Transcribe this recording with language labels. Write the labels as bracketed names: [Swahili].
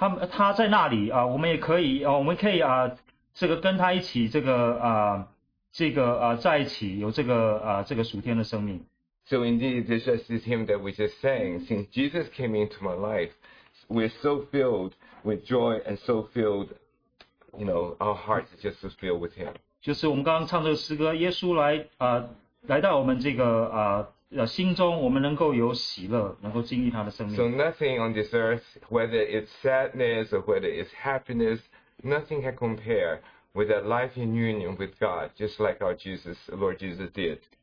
[Chinese] 他在那里我们也可以我们可以这个跟他一起在一起有这个属天的生命。 [English] So indeed, this just is him that we just sang. Since Jesus came into my life, we're so filled with joy and so filled, you know, our hearts just is filled with him. [Chinese] 就是我们刚刚唱这个诗歌，耶稣来到我们这个心中，我们能够有喜乐，能够经历他的生命。 [English] So nothing on this earth, whether it's sadness or whether it's happiness, nothing can compare.With that life in union with God, just like our Lord Jesus did.